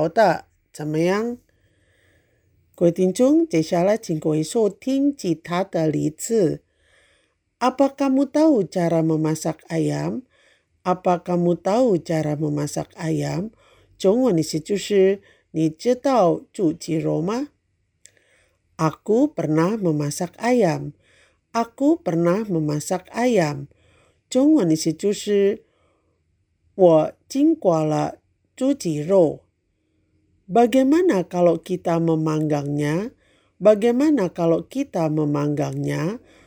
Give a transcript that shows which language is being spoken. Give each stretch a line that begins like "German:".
Chinese: 中文意思就是我们炒的怎么样?各位听众，接下来请各位收听其他的例子。
Indonesian: Apa kamu tahu cara memasak ayam? Apa kamu tahu cara memasak ayam?
Chinese: 中文意思就是你知道煮鸡肉吗?
Indonesian: Aku pernah memasak ayam. Aku pernah memasak ayam.
Chinese: 中文意思就是我经过了煮鸡肉。
Indonesian: Bagaimana kalau kita memanggangnya? Bagaimana kalau kita memanggangnya?